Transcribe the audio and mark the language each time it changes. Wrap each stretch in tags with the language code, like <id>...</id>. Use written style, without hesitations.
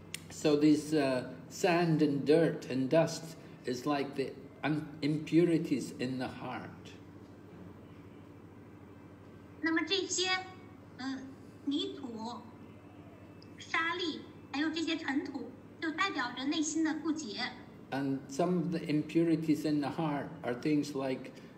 <en>So this sand and dirt and dust is like the impurities in the heart.</en> <zh>那么这些泥土、沙粒，还有这些尘土，就代表着内心的不洁。</zh> <en>And some of the impurities in the heart are things like.</en>